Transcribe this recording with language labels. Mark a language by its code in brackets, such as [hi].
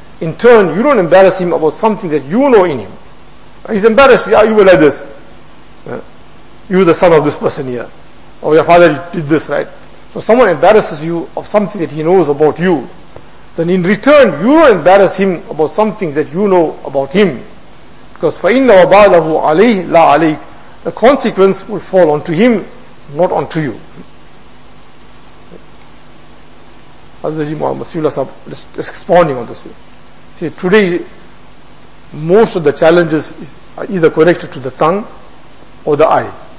[en] In turn, you don't embarrass him about something that you know in him. He's embarrassed. Yeah, you were like this. You were the son of this person here. Or your father did this, right? So someone embarrasses you of something that he knows about you. Then in return, you don't embarrass him about something that you know about him. [ar] Because فَإِنَّ وَبَالَهُ عَلَيْهِ لَا عَلَيْكَ. [en] The consequence will fall onto him, not onto you. Hazrat Masihullah Sahib is responding on this. See, today most of the challenges are either connected to the tongue or the eye.